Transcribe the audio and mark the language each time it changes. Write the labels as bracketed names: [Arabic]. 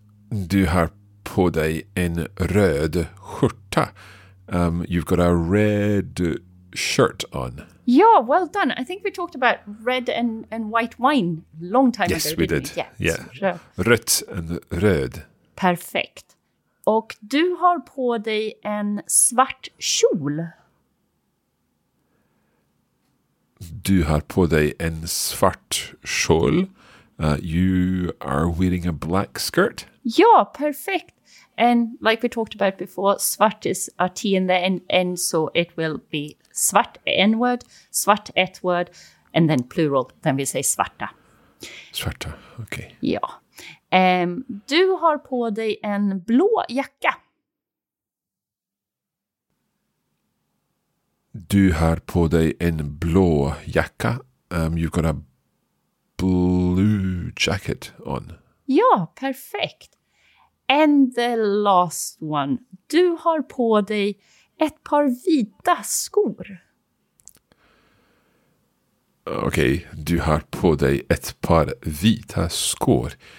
[Swedish] Du har på dig en röd skjorta. [English] You've got a red shirt on. Yeah, well done. I think we talked about red and white wine long time yes, ago. Yes, we did. Yeah. Yeah. Rött and röd. [Swedish] Perfect. Och du har på dig en svart kjol. Du har på dig en svart kjol. [English] You are wearing a black skirt. [Swedish] Ja, perfekt. [English] And like we talked about before, svart is a T in the end, so it will be svart N-word, svart ett word, and then plural. Then we say svarta. Svarta, okay. [Swedish] Ja. Du har på dig en blå jacka. Du har på dig en blå jacka. [English] You've got a blue jacket on. Ja, perfekt. And the last one. [Swedish] Du har på dig ett par vita skor. Okay, du har på dig ett par vita skor.